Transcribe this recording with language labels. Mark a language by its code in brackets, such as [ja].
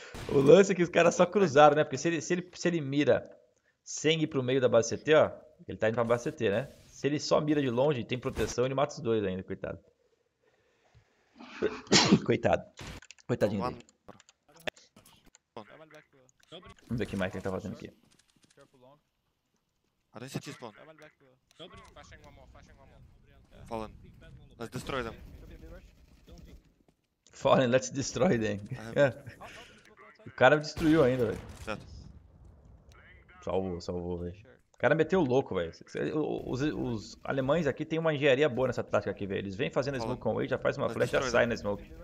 [pt] O lance é que os caras só cruzaram, né? Porque se ele mira sem ir pro meio da base CT, ó, ele tá indo pra base CT, né? Se ele só mira de longe e tem proteção, ele mata os dois ainda, coitado. Coitado. Coitadinho dele. Vamos ver o que mais que ele tá fazendo aqui. [en] Are they CT spawn? Flashing one more, flashing one more. Yeah. Fallen. Let's destroy them. Fallen, let's destroy them. [pt] O cara destruiu ainda, velho. Certo. Salvou, velho. O cara meteu louco, velho. Os alemães aqui tem uma engenharia boa nessa tática aqui, velho. Eles vêm fazendo a smoke com way, já faz uma flecha, já sai na smoke.